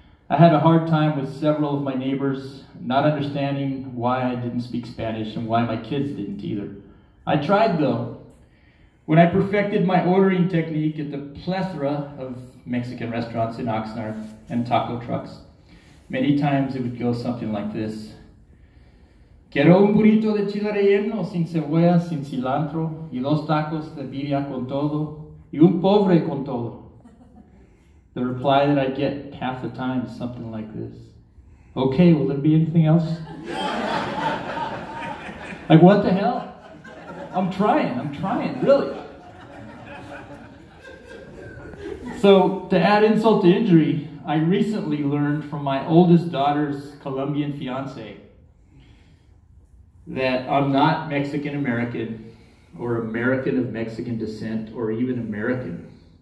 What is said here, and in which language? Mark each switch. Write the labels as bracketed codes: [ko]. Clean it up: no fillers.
[en] I had a hard time with several of my neighbors not understanding why I didn't speak Spanish and why my kids didn't either. I tried though. When I perfected my ordering technique at the plethora of Mexican restaurants in Oxnard and taco trucks, many times it would go something like this. [es] Quiero un burrito de chile relleno, sin cebolla, sin cilantro, y dos tacos de birria con todo, y un pobre con todo. [en] The reply that I get half the time is something like this. Okay, will there be anything else? Like, what the hell? I'm trying, really. So, to add insult to injury, I recently learned from my oldest daughter's Colombian fiance that I'm not Mexican-American or American of Mexican descent or even American.